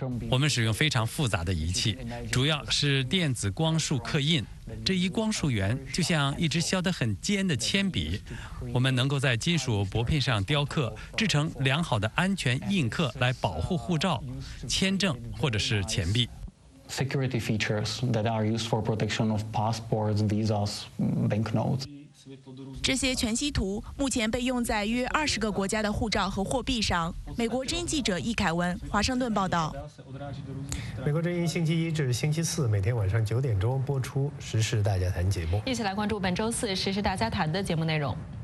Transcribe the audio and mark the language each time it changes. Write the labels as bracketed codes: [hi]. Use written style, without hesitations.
[zh] 我们使用非常复杂的仪器，主要是电子光束刻印。这一光束源就像一支削得很尖的铅笔，我们能够在金属薄片上雕刻，制成良好的安全印刻来保护护照、签证或者是钱币。 [en] Security features that are used for protection of passports, visas, banknotes. [zh] 这些全息图目前被用在约20个国家的护照和货币上。美国之音记者易凯文，华盛顿报道。美国之音星期一至星期四每天晚上9点播出《时事大家谈》节目，一起来关注本周四《时事大家谈》的节目内容。